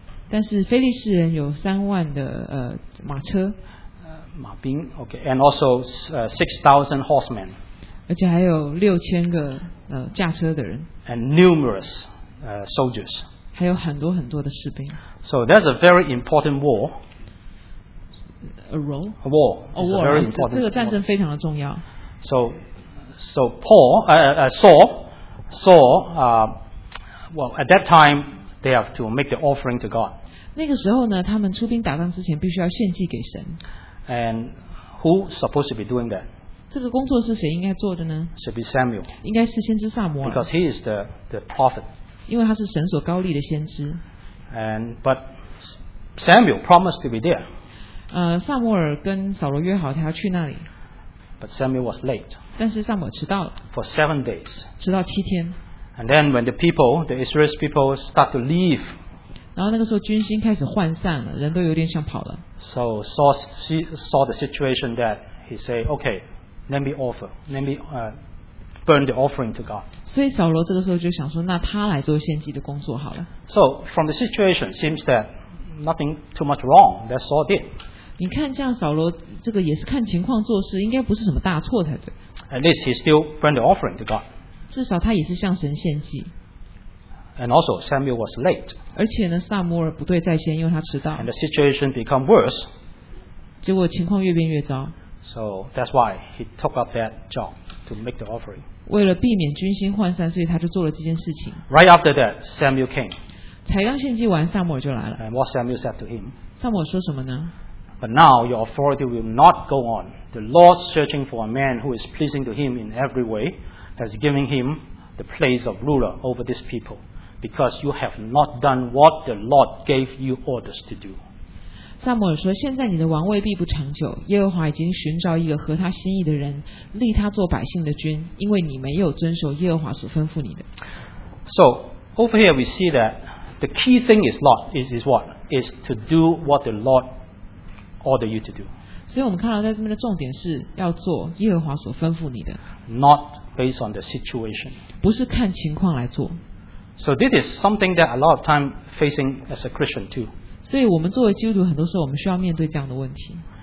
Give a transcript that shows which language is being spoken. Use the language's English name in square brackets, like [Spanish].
[Chinese] 但是非利士人有3万的马车。马兵, [English] okay, and also 6,000 horsemen. [Chinese] 而且还有6,000个驾车的人。 [English] And numerous soldiers. [Chinese] 还有很多很多的士兵。 [English] So that's a very important war. A role? A war. A war. [Chinese] 这个战争非常的重要。 [English] So Paul, Saul, well, at that time, they have to make the offering to God. [Chinese] 那个时候呢，他们出兵打仗之前必须要献祭给神。 [English] And who supposed to be doing that? [Chinese] 这个工作是谁应该做的呢？ [English] Should be Samuel. [Chinese] 应该是先知撒母耳。 [English] Because he is the prophet. [Chinese] 因为他是神所高立的先知。 [English] And but Samuel promised to be there. [Chinese] 撒母耳跟扫罗约好他要去那里。 [English] But Samuel was late. [Chinese] 但是撒母耳迟到了。 [English] For 7 days. [Chinese] 迟到7天。 [English] And then when the people, the Israelite people, start to leave. [Chinese] 然后那个时候军心开始涣散了，人都有点想跑了。 [English] So Saul saw the situation that he said, "Okay, let me offer, let me burn the offering to God." [Chinese] 所以扫罗这个时候就想说，那他来做献祭的工作好了。 [English] So from the situation seems that nothing too much wrong that Saul did. [Chinese] 你看这样，扫罗这个也是看情况做事，应该不是什么大错才对。 [English] At least he still burned the offering to God. [Chinese] 至少他也是向神献祭。 [English] And also Samuel was late. [Chinese] 而且呢，撒母耳不对在先，因为他迟到。 [English] And the situation became worse. [Chinese] 结果情况越变越糟。 [English] So that's why he took up that job to make the offering. [Chinese] 为了避免军心涣散，所以他就做了这件事情。 [English] Right after that, Samuel came. [Chinese] 才刚献祭完，撒母耳就来了。 [English] And what Samuel said to him? [Chinese] 撒母耳说什么呢？ [English] But now your authority will not go on. The Lord searching for a man who is pleasing to him in every way has given him the place of ruler over this people. Because you have not done what the Lord gave you orders to do. [Chinese] 撒母耳说，现在你的王位必不长久，耶和华已经寻找一个合他心意的人，立他做百姓的君，因为你没有遵守耶和华所吩咐你的。 [English] So over here we see that the key thing is what? Is to do what the Lord ordered you to do. [Chinese] 所以我们看到在这边的重点是要做耶和华所吩咐你的。 [English] Not based on the situation. [Chinese] 不是看情况来做。 [English] So this is something that a lot of time facing as a Christian too. [Chinese] 所以我们作为基督徒，很多时候我们需要面对这样的问题。